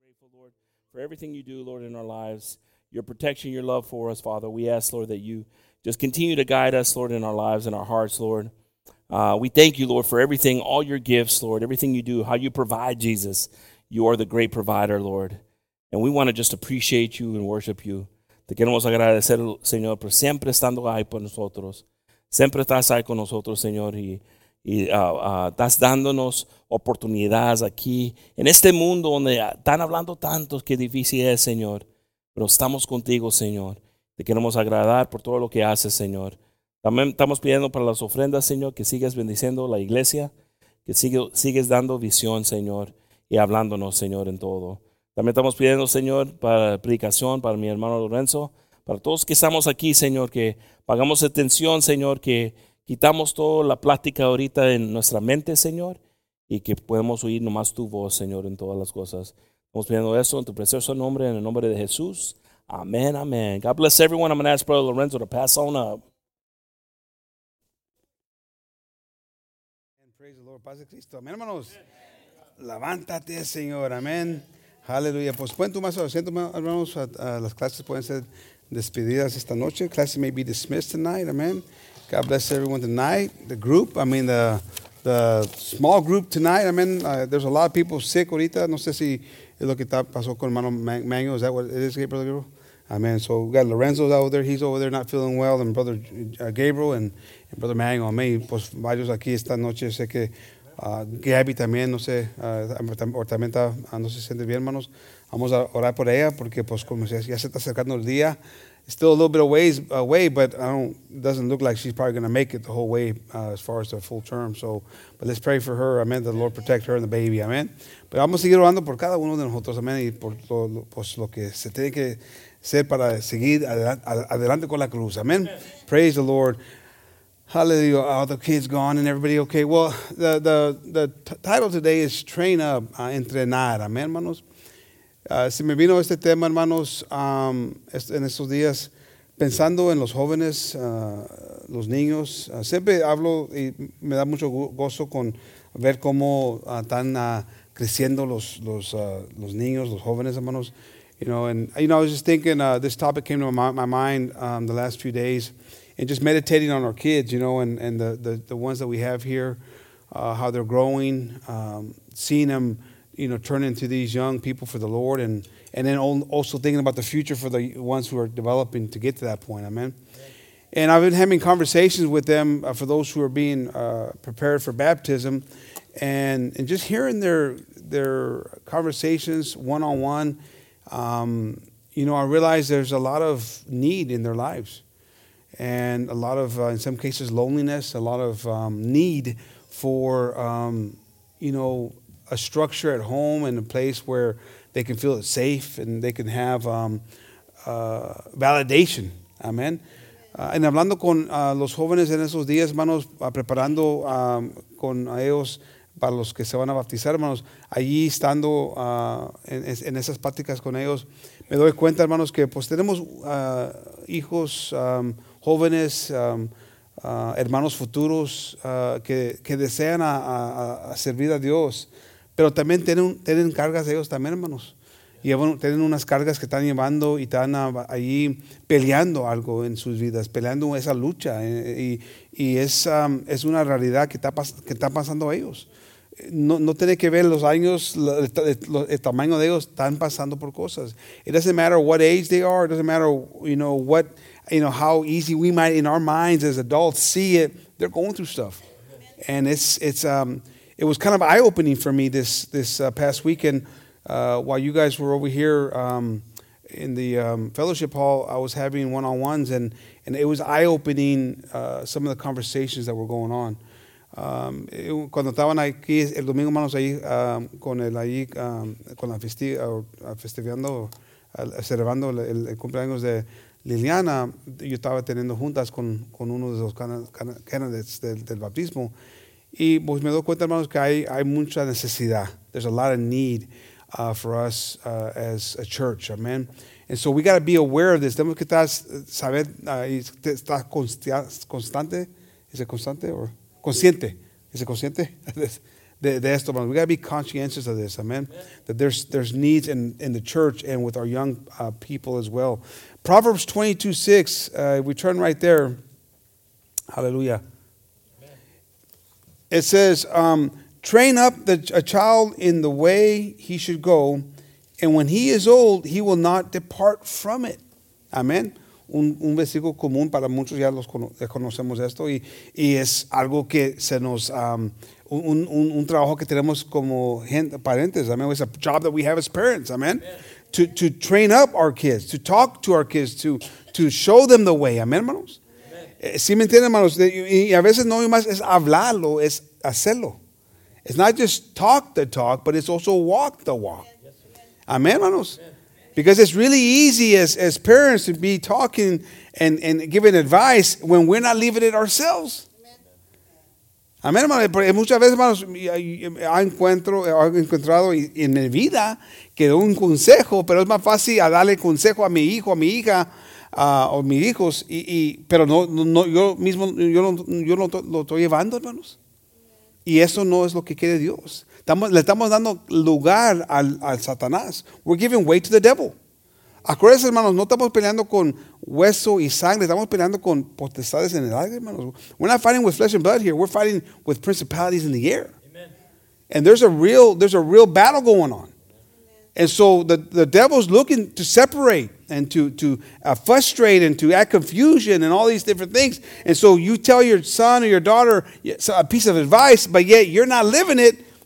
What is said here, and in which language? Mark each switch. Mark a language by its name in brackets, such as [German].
[English] thankful, Lord, for everything you do, Lord, in our lives, your protection, your love for us, Father. We ask, Lord, that you just continue to guide us, Lord, in our lives and our hearts, Lord. We thank you, Lord, for everything, all your gifts, Lord, everything you do, how you provide, Jesus. You are the great provider, Lord. And we want to just appreciate you and worship you. [Spanish] Te queremos agradecer, Señor, por siempre estando ahí por nosotros. Siempre estás ahí con nosotros, Señor, y estás dándonos oportunidades aquí en este mundo donde están hablando tantos que difícil es, Señor. Pero estamos contigo, Señor. Te queremos agradar por todo lo que haces, Señor. También estamos pidiendo para las ofrendas, Señor, que sigas bendiciendo la iglesia, que sigues dando visión, Señor, y hablándonos, Señor, en todo. También estamos pidiendo, Señor, para la predicación, para mi hermano Lorenzo, para todos que estamos aquí, Señor, que pagamos atención, Señor, que quitamos toda la plática ahorita en nuestra mente, Señor, y que podemos oír nomás tu voz, Señor, en todas las cosas. Estamos pidiendo eso en tu precioso nombre, en el nombre de Jesús. [English] Amén, amén. God bless everyone. I'm going to ask Brother Lorenzo to pass on up. Praise the Lord. [Spanish] Paz de Cristo. Amén, hermanos. Levántate, Señor. Amén. Aleluya. Pues pueden tomar su asiento, hermanos. Las clases pueden ser despedidas esta noche. [English] Classes may be dismissed tonight. Amén. God bless everyone tonight. The group, I mean, the small group tonight. Amén. There's a lot of people sick [Spanish] ahorita. No sé si es lo que pasó con hermano Manuel. [English] Is that what it is, Gabriel? Amén. So we got Lorenzo's out there. He's over there not feeling well. And brother Gabriel and brother Manuel. Amén. [Spanish] Pues varios aquí esta noche. Sé que Gabby también, no sé, o también está, no se siente bien, hermanos. Vamos a orar por ella porque, pues, como se dice, ya se está acercando el día. [English] Still a little bit of ways away, but doesn't look like she's probably going to make it the whole way as far as the full term. So, but let's pray for her. Amen. The Lord protect her and the baby. Amen. [Spanish] Pero vamos a seguir orando por cada uno de nosotros. Amen. Y por todo, pues, lo que se tiene que hacer para seguir adelante con la cruz. [English] Amen. Yes. Praise the Lord. Hallelujah. All the kids gone and everybody okay. Well, the title today is Train Up, Entrenar. Amen, [Spanish] hermanos. Si me vino este tema, hermanos, en estos días, pensando en los jóvenes, los niños, siempre hablo y me da mucho gozo con ver cómo están creciendo los niños, los jóvenes, hermanos. [English] You know, I was just thinking, this topic came to my mind the last few days. And just meditating on our kids, you know, and the ones that we have here, how they're growing, seeing them, you know, turn into these young people for the Lord, and then also thinking about the future for the ones who are developing to get to that point, amen. And I've been having conversations with them for those who are being prepared for baptism, and just hearing their conversations one on one, you know, I realize there's a lot of need in their lives. And a lot of, in some cases, loneliness, a lot of need for, you know, a structure at home and a place where they can feel it safe and they can have validation. Amen. And [Spanish] hablando con los jóvenes en esos días, hermanos, preparando con ellos para los que se van a bautizar, hermanos, allí estando en esas pláticas con ellos, me doy cuenta, hermanos, que pues tenemos hijos... jóvenes, hermanos futuros que desean a servir a Dios, pero también tienen cargas de ellos también, hermanos. Y bueno, tienen unas cargas que están llevando y están allí peleando algo en sus vidas, peleando esa lucha. Y es una realidad que está pasando a ellos. No tiene que ver los años, el tamaño de ellos, están pasando por cosas. [English] It doesn't matter what age they are, it doesn't matter, you know, what... You know, how easy we might, in our minds as adults, see it. They're going through stuff. And it was kind of eye-opening for me this past weekend. While you guys were over here in the fellowship hall, I was having one-on-ones, and it was eye-opening some of the conversations that were going on. [Spanish] Cuando estaban aquí el domingo, hermanos, ahí con el ahí, con la festiviando, celebrando el cumpleaños de Liliana, yo estaba teniendo juntas con uno de los candidates del bautismo. Y pues me doy cuenta, hermanos, que hay mucha necesidad. [English] There's a lot of need for us as a church. Amen. And so we got to be aware of this. [Spanish] Tenemos que saber, está constante. ¿Es consciente? ¿Es consciente? de esto, [English] we got to be conscientious of this, amen. That there's needs in the church and with our young people as well. Proverbs 22:6, we turn right there. Hallelujah. It says, train up a child in the way he should go, and when he is old, he will not depart from it. Amen. [Spanish] Un versículo común para muchos, ya conocemos esto, y es algo que se nos, un trabajo que tenemos como parentes, amen. [English] It's a job that we have as parents, amen. To train up our kids, to talk to our kids, to show them the way, amen, [Spanish] hermanos. Si me entienden, hermanos, y a veces no más es hablarlo, es hacerlo. [English] It's not just talk the talk, but it's also walk the walk. Amen, [Spanish] hermanos. [English] Because it's really easy as parents to be talking and giving advice when we're not living it ourselves. [Spanish] Amén, hermanos. Porque muchas veces, hermanos, he encontrado en mi vida que un consejo, pero es más fácil a darle consejo a mi hijo, a mi hija, o mis hijos, pero yo mismo no lo estoy llevando, hermanos. Y eso no es lo que quiere Dios. Le estamos dando lugar al Satanás. [English] We're giving way to the devil. [Spanish] Acuérdense, hermanos, no estamos peleando con hueso y sangre. Estamos peleando con potestades en el aire, hermanos. [English] We're not fighting with flesh and blood here. We're fighting with principalities in the air. Amen. And there's a real battle going on. Amen. And so the devil's looking to separate and to frustrate and to add confusion and all these different things. And so you tell your son or your daughter a piece of advice, but yet you're not living it.